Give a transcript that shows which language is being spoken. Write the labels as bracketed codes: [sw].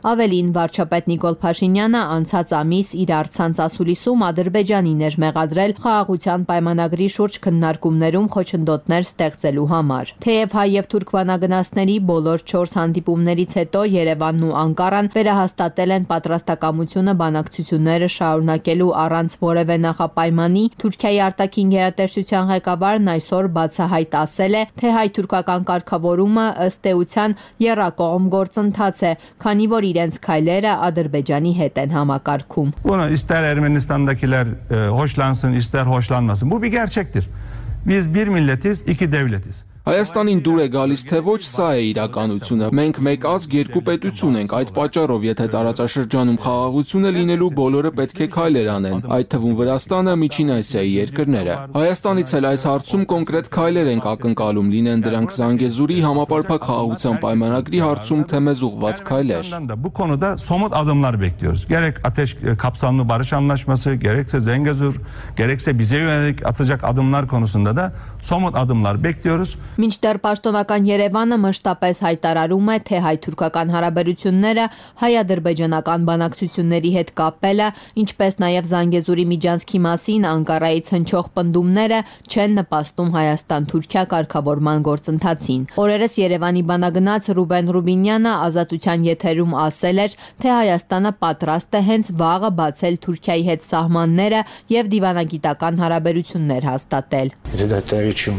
[hy] Avelin Varchapet Nikol Pashinyan անցած ամիս իր առցանց ասուլիսում Ադրբեջանին էր մեղադրել խաղաղության պայմանագրի շուրջ քննարկումներում խոչընդոտներ ստեղծելու համար։ Թեև հայ և թուրք վանագնացների բոլոր 4 հանդիպումներից հետո Երևանն ու Անկարան վերահաստատել են պատրաստակամությունը բանակցությունները շարունակելու առանց որևէ նախապայմանի, Թուրքիայի արտաքին գերատեսչության ղեկավարն այսօր բացահայտ ասել է, թե հայ-թուրքական կարգավորումը ըստ էության եռակողմ գործընթաց է, քանի որ իրենց քայլերը Ադրբեջանի հետ են համակարգում։ [tr] Bunu ister Ermenistan'dakiler hoşlansın ister hoşlanmasın. Bu bir gerçektir. Biz bir milletiz, iki devletiz. [hy] Հայաստանին դուր է գալիս, թե ոչ սա է իրականությունը։ Մենք մեկ ազգ, երկու պետություն ենք, այդ պատճառով, եթե տարածաշրջանում խաղաղությունը լինելու, բոլորը պետք է քայլեր անեն, այդ թվում Վրաստանը, Միջին Ասիայի երկրները։ Հայաստանից էլ այս հարցում կոնկրետ քայլեր ենք ակնկալում, լինեն դրանք Զանգեզուրի համապարփակ խաղաղության պայմանագրի հարցում, թե մեզ ուղված քայլեր։ [tr] Bu konuda somut adımlar bekliyoruz. Gerek ateş kapsamlı barış anlaşması, gerekse Zengezur, gerekse bize yönelik atacak adımlar konusunda da somut adımlar bekliyoruz. [hy] Մինչդեռ պաշտոնական Երևանը մշտապես հայտարարում է, թե հայ-թուրքական հարաբերությունները հայ-ադրբեջանական բանակցությունների հետ կապելը, ինչպես նաև Զանգեզուրի միջանցքի մասին Անկարայից հնչող պնդումները չեն նպաստում Հայաստան-Թուրքիա կարգավորման գործընթացին։ Օրերս Երևանի բանագնաց Ռուբեն Ռուբինյանը Ազատության եթերում ասել էր, թե Հայաստանը պատրաստ է հենց վաղը բացել Թուրքիայի հետ սահմանները եւ դիվանագիտական հարաբերություններ հաստատել։